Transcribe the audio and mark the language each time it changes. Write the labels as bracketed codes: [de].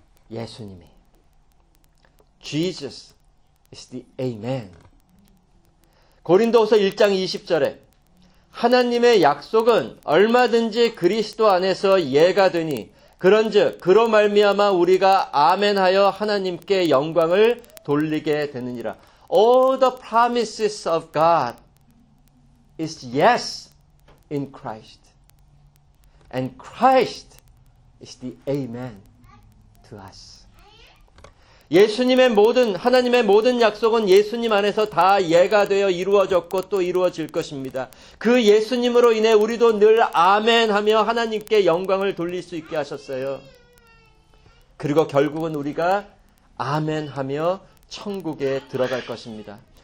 [ko] 예수님이. [en] Jesus is the Amen. [ko] 고린도후서 1장 20절에 하나님의 약속은 얼마든지 그리스도 안에서 예가 되니 그런즉 그로 말미암아 우리가 아멘하여 하나님께 영광을 돌리게 되느니라. [en] All the promises of God is yes in Christ. And Christ is the amen to us. [ko] 예수님의 모든, 하나님의 모든 약속은 예수님 안에서 다 예가 되어 이루어졌고 또 이루어질 것입니다. 그 예수님으로 인해 우리도 늘 아멘 하며 하나님께 영광을 돌릴 수 있게 하셨어요. 그리고 결국은 우리가 아멘 하며 천국에 들어갈 것입니다.